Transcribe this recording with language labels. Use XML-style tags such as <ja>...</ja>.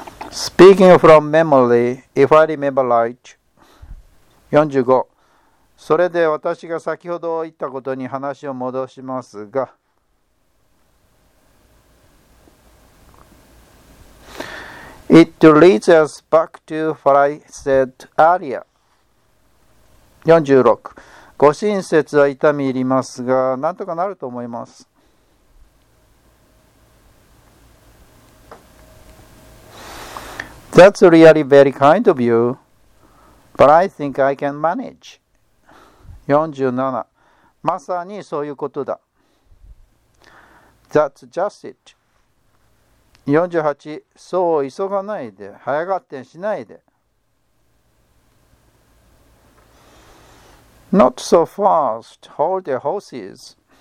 <en>Speaking from memory, if I remember right. 45.</en> <ja>それで私が先ほど言ったことに話を戻しますが。</ja> <en>It leads us back to what I said earlier. 46.</en> <ja>ご親切は痛み入りますが、なんとかなると思います。</ja> <en>That's really very kind of you, but I think I can manage. 47.</en> <ja>まさにそういうことだ。</ja> <en>That's just it. 48.</en> <ja>そう急がないで、早がってしないで。</ja> <en>Not so fast. Hold your horses.</en>